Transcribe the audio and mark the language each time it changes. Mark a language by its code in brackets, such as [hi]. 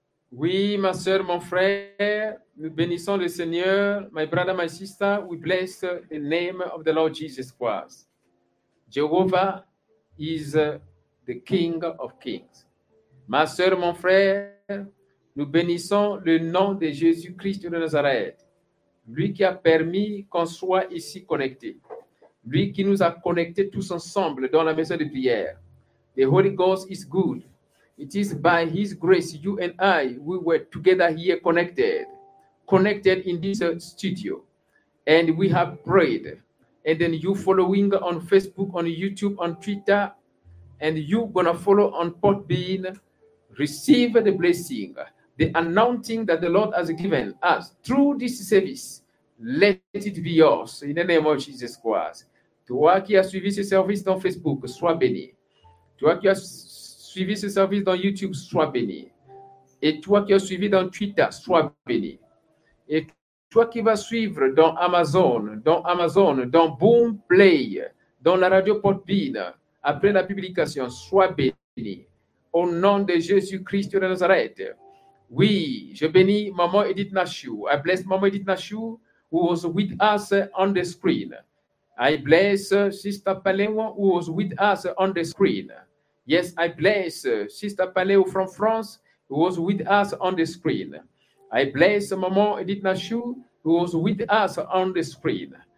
[fr] Oui, ma soeur, mon frère, nous bénissons le Seigneur. [en] My brother, my sister, we bless the name of the Lord Jesus Christ. Jehovah is the King of Kings. [fr] Ma soeur, mon frère, nous bénissons le nom de Jésus-Christ de Nazareth. Lui qui a permis qu'on soit ici connectés. Lui qui nous a connectés tous ensemble dans la maison de prière. [en] The Holy Ghost is good. It is by His grace you and I, we were together here connected. Connected in this studio. And we have prayed. And then you following on Facebook, on YouTube, on Twitter. And you gonna follow on Podbean. Receive the blessing. The anointing that the Lord has given us through this service. Let it be yours in the name of Jesus Christ. [fr] Toi qui as suivi ce service dans Facebook, sois béni. Toi qui as suivi ce service dans YouTube, sois béni. Et toi qui as suivi dans Twitter, sois béni. Et toi qui vas suivre dans Amazon, dans Boom Play, dans la radio Podbean, après la publication, sois béni. Au nom de Jésus-Christ de Nazareth. Oui, je bénis Maman Edith Nashu. [en] I bless Maman Edith Nashu, who was with us on the screen. I bless Sister Palewa, who was with us on the screen. Yes, I bless Sister Paleo from France, who was with us on the screen. I bless Maman Edith Nashu, who was with us on the screen.